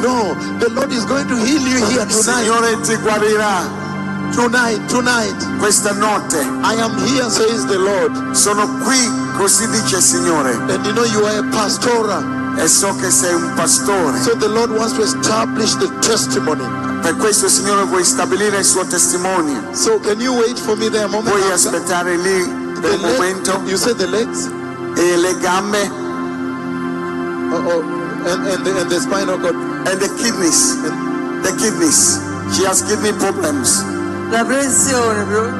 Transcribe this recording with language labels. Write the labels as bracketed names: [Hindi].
[English] No, the Lord is going to heal you here tonight. [Italian] Signore ti guarirà. [English] Tonight. [Italian] Questa notte. [English] I am here, says the Lord. [Italian] Sono qui, così dice Signore. [English] And you know you are a pastora. [Italian] E so che sei un pastore. [English] So the Lord wants to establish the testimony. [Italian] Per questo il Signore vuole stabilire il suo testimonio. [English] So can you wait for me there a moment? [Italian] Vuoi aspettare lì per un momento? [English] You said the legs? [Italian] E le gambe? [English] And the spinal cord? And the kidneys? The kidneys. She has kidney problems. [Italian] La pressione, bro.